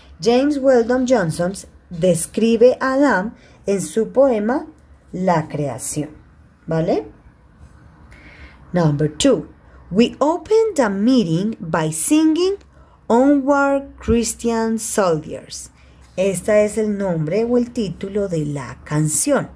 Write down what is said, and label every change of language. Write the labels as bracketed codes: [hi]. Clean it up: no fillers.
[es] James Weldon Johnson describe a Adam en su poema La Creación. ¿Vale? [en] Number two. We open the meeting by singing Onward Christian Soldiers. [es] Este es el nombre o el título de la canción.